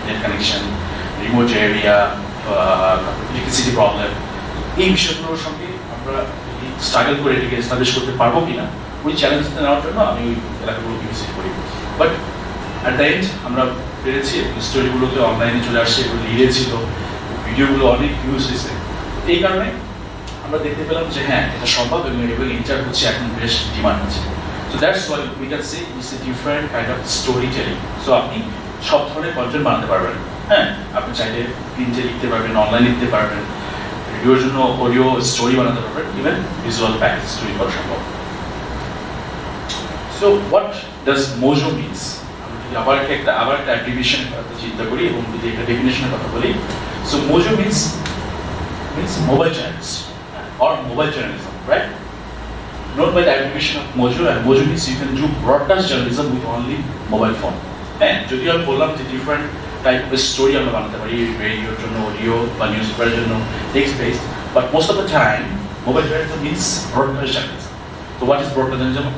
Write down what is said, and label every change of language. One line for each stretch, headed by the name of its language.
Bangla: Net connection, remote area, electricity problem, এই বিষয়গুলোর সঙ্গে আমরা যদি স্ট্রাগল করে এটিকে স্টাবলিশ করতে পারবো কিনা, ওই চ্যালেঞ্জ নেওয়ার জন্য আমি ওই এলাকাগুলোকে ভিজিট করি।
English: but at the end
Bangla: আমরা পেরেছি, স্টোরিগুলোতে অনলাইনে চলে আসছে, এগুলো লিখেছিল, ভিডিওগুলো অনেক ইউজ হয়েছে। এই কারণে আমরা দেখতে পেলাম যে হ্যাঁ, এটা সম্ভব, এবং এবং ইন্টার হচ্ছে এখন বেশ ডিমান্ড আছে।
English: So that's why we can say it's a different kind of storytelling.
Bangla: So আপনি সব ধরনের কন্টেন্ট বানাতে পারবেন। হ্যাঁ, আপনি চাইলে প্রিন্টে লিখতে পারবেন, অনলাইন লিখতে পারবেন, রেডিওর জন্য অডিও স্টোরি বানাতে পারবেন, ইভেন ভিজুয়াল প্যাকেজ তৈরি করা সম্ভব।
English: So what does Mojo means?
Bangla: আমি যদি আবার একটা ডেফিনিশন কথা চিন্তা করি, এবং যদি একটা ডেফিনেশনের কথা বলি,
English: So Mojo means mobile channels or mobile journalism, right? Not by the application of Mojo, and Mojo means you can do broadcast journalism with only mobile phone. And if you have told the different type of story, radio, audio, news, text-based, but most of the time, mobile journalism means broadcast journalism. So what is broadcast journalism?